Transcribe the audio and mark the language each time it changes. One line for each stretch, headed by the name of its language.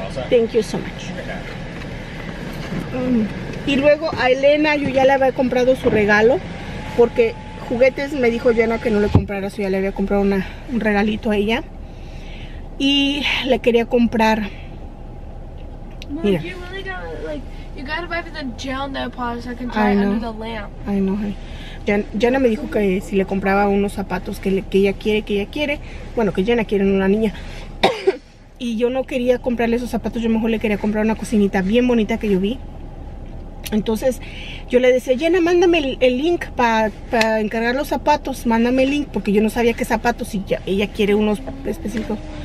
English: Thank you so much.
Spanish: Y luego a Elena, yo ya le había comprado su regalo. Porque juguetes me dijo Jenna que no le comprara. Yo ya le había comprado un regalito a ella. Y le quería comprar. Mira.
English: Mom, you really gotta, like, you gotta buy the gel nail polish. I can try under the lamp. I know, honey.
Spanish: Jenna me dijo que si le compraba unos zapatos que ella quiere. Bueno, que Jenna quiere una niña. Y yo no quería comprarle esos zapatos, yo mejor le quería comprar una cocinita bien bonita que yo vi. Entonces yo le decía, Jenna, mándame el link para encargar los zapatos, mándame el link, porque yo no sabía qué zapatos y ya, ella quiere unos específicos.